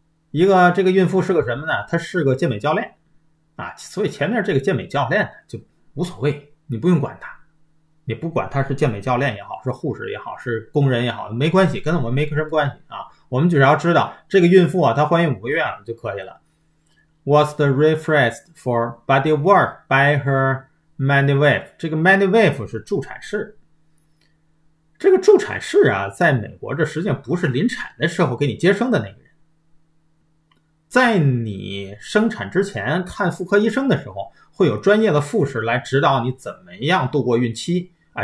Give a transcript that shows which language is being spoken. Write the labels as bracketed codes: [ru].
[zh] 一个这个孕妇是个什么呢？她是个健美教练啊，所以前面这个健美教练就无所谓，你不用管她，你不管她是健美教练也好，是护士也好，是工人也好，没关系，跟我们没什么关系啊。我们只要知道这个孕妇啊，她怀孕5个月了就可以了。 [en] What's the request for body work by her midwife？ [zh] 这个 midwife 是助产士。这个助产士啊，在美国这实际上不是临产的时候给你接生的那个人，在你生产之前看妇科医生的时候，会有专业的护士来指导你怎么样度过孕期啊。